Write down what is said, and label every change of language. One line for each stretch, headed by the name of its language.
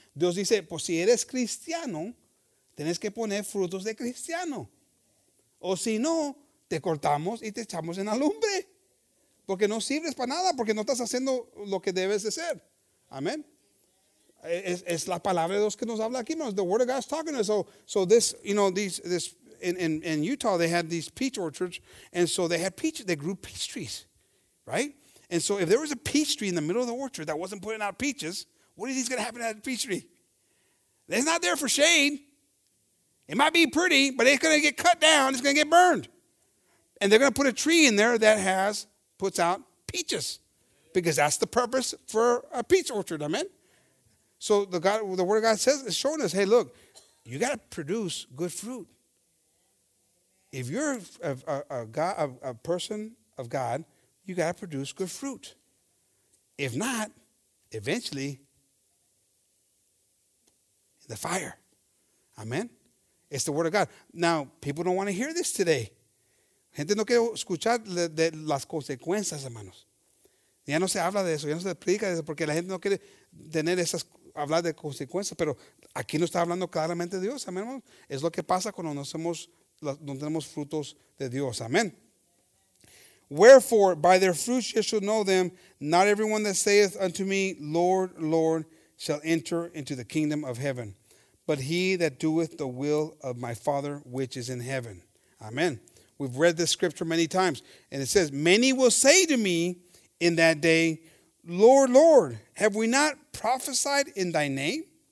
Spanish: Dios dice, pues si eres cristiano, tienes que poner frutos de cristiano. O si no, te cortamos y te echamos en la lumbre. Porque no sirves para nada, porque no estás haciendo lo que debes de ser. Amén. Es la palabra de Dios que nos habla aquí, hermanos.
English: The word of God is talking to us. So this, you know, this in Utah, they had these peach orchards. And so they had peach. They grew peach trees, right? And so if there was a peach tree in the middle of the orchard that wasn't putting out peaches, what is going to happen to that peach tree? It's not there for shade. It might be pretty, but it's going to get cut down. It's going to get burned. And they're going to put a tree in there that puts out peaches, because that's the purpose for a peach orchard. Amen. So the word of God says, is showing us, hey, look, you got to produce good fruit. If you're a person of God, you got to produce good fruit. If not, eventually, the fire. Amen. It's the word of God. Now, people don't want to hear this today.
Spanish: Gente no quiere escuchar de las consecuencias, hermanos. Ya no se habla de eso, ya no se explica de eso, porque la gente no quiere tener esas, hablar de consecuencias, pero aquí no está hablando claramente de Dios, amén, hermanos. Es lo que pasa cuando no tenemos frutos de Dios, amén.
English: Wherefore, by their fruits ye shall know them, not everyone that saith unto me, Lord, Lord, shall enter into the kingdom of heaven, but he that doeth the will of my Father which is in heaven. Amen. We've read this scripture many times, and it says, many will say to me in that day, Lord, Lord, have we not prophesied in thy name?